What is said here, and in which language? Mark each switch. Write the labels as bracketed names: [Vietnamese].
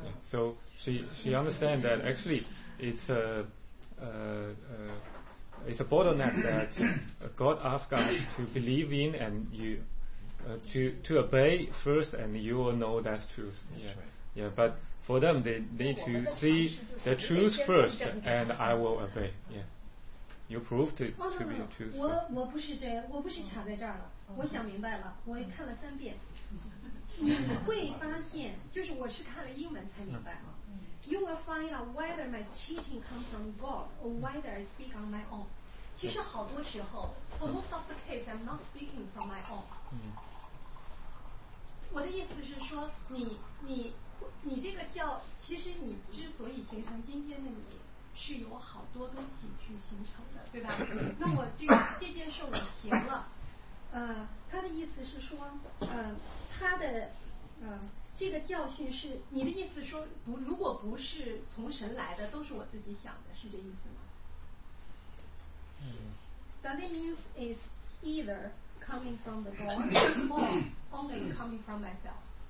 [English] So she understands that actually it's a bottleneck that God asks us to believe in and you to obey first, and you will know that's truth. That's yeah. Right. Yeah, but for them, they need to see the truth first, and I will obey. Yeah. You prove to be a truth. [Chinese] 我不是卡在这儿了，我想明白了，我也看了三遍。你会发现，就是我是看了英文才明白。 [English] You will find out whether my teaching comes from God or whether I speak on my own. [Chinese] 其实好多时候, [English] for most of the case, I'm not speaking from my own. [Chinese] 我的意思是说, 你这个叫, 其实你之所以形成今天的你, 是有好多东西去形成的, 对吧? 那我这件事我行了, 他的意思是说, 他的, 这个教训是, 你的意思说, 如果不是从神来的, 都是我自己想的, 是这意思吗? [English] But the news is either coming from the God or only coming from myself.